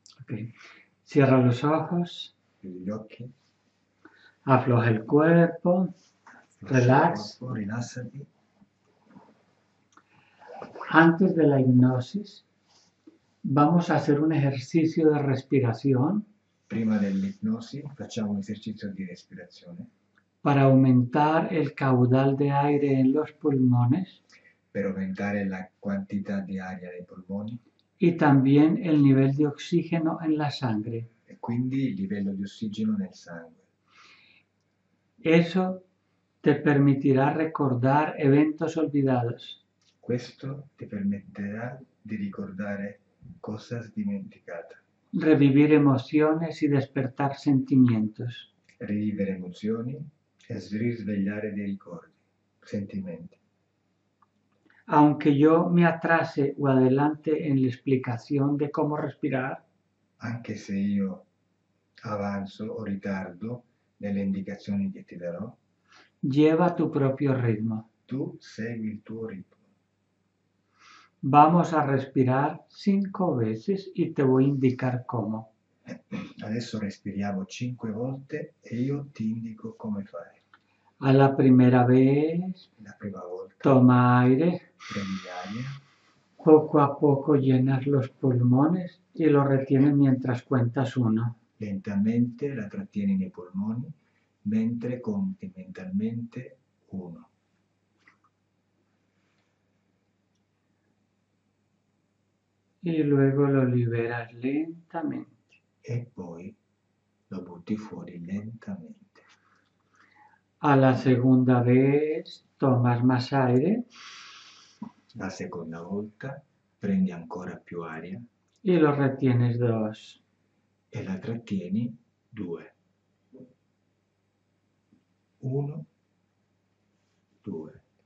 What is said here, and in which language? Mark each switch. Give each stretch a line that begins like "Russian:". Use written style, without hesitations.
Spanish: Okay. Cierra los ojos.
Italian: Gli occhi.
Spanish: Afloja il cuerpo,
Italian: Afflosci il relax. corpo, rilassati.
Spanish: Antes de la hipnosis, Vamos a hacer un ejercicio de respiración.
Italian: Prima dell'ipnosi facciamo un esercizio di respirazione.
Spanish: Para aumentar el caudal de aire en los pulmones.
Italian: Per aumentare la quantità di aria nei polmoni.
Spanish: Y también el nivel de oxígeno en la sangre.
Italian: E quindi il livello di ossigeno nel sangue.
Spanish: Eso te permitirá recordar eventos olvidados.
Italian: Questo ti permetterà di ricordare cose dimenticate.
Spanish: Revivir emociones y despertar sentimientos.
Italian: Rivivere emozioni e risvegliare dei ricordi, sentimenti.
Spanish: Aunque yo me atrase o adelante en la explicación de cómo respirar,
Italian: anche se io avanzo o ritardo nelle indicazioni che ti darò,
Spanish: lleva tu propio ritmo.
Italian: Tu segui il tuo ritmo.
Spanish: Vamos a respirar 5 veces y te voy a indicar cómo.
Italian: Adesso respiriamo 5 volte e io ti indico come fare.
Spanish: A la primera vez,
Italian: la prima volta,
Spanish: toma aire,
Italian: prendi aria,
Spanish: poco a poco llenas los pulmones y lo retienes mientras cuentas uno.
Italian: Lentamente la trattieni nei polmoni mentre conti mentalmente uno.
Spanish: Y luego lo liberas lentamente.
Italian: E poi lo butti fuori lentamente.
Spanish: A la segunda vez tomas más aire.
Italian: La seconda volta prendi ancora più aria.
Spanish: Y lo retienes 2.
Italian: E la trattieni 2.
Spanish: 1, 2.